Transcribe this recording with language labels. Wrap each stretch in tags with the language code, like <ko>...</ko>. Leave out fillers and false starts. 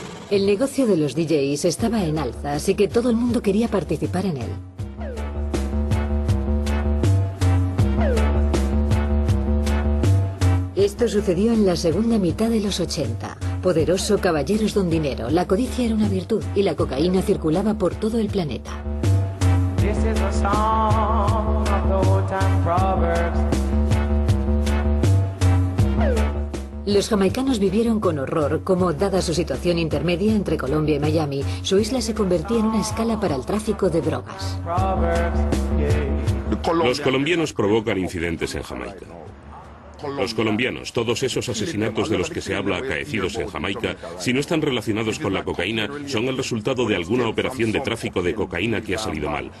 <es>El negocio de los DJs estaba en alza, así que todo el mundo quería participar en él. Esto sucedió en la segunda mitad de los 80. Poderoso caballero es don dinero, la codicia era una virtud y la cocaína circulaba por todo el planeta.</es> <en>This is a song of old time proverbs.</en> <es>Los jamaicanos vivieron con horror cómo, dada su situación intermedia entre Colombia y Miami, su isla se convertía en una escala para el tráfico de drogas. Los colombianos provocan incidentes en Jamaica. Los colombianos, todos esos asesinatos de los que se habla acaecidos en Jamaica, si no están relacionados con la cocaína, son el resultado de alguna operación de tráfico de cocaína que ha salido mal.</es>